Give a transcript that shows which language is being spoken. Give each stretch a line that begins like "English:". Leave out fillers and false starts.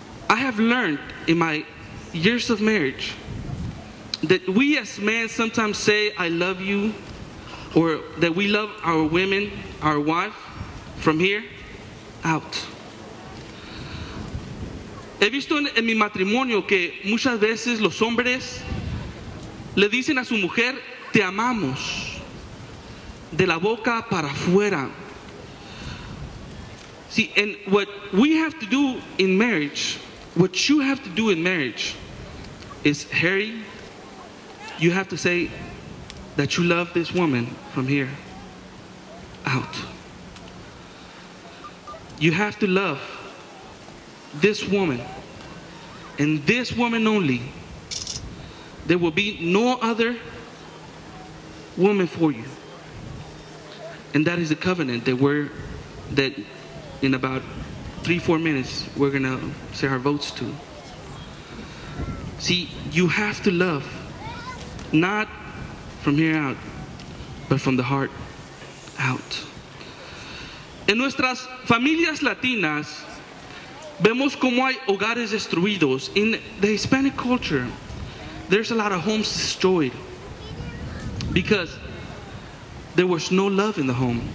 English: I have learned in my years of marriage that we as men sometimes say, I love you, or that we love our women, our wife, from here out.
Spanish: He visto en mi matrimonio que muchas veces los hombres le dicen a su mujer, te amamos, de la boca para afuera.
English: See, and what we have to do in marriage, what you have to do in marriage, is Harry, you have to say that you love this woman from here out. You have to love this woman, and this woman only. There will be no other woman for you. And that is the covenant that we're, that in about 3-4 minutes, we're gonna say our votes to. See, you have to love, not from here out, but from the heart out.
Spanish: En nuestras familias latinas, vemos como hay hogares destruidos.
English: In the Hispanic culture, there's a lot of homes destroyed because there was no love in the home.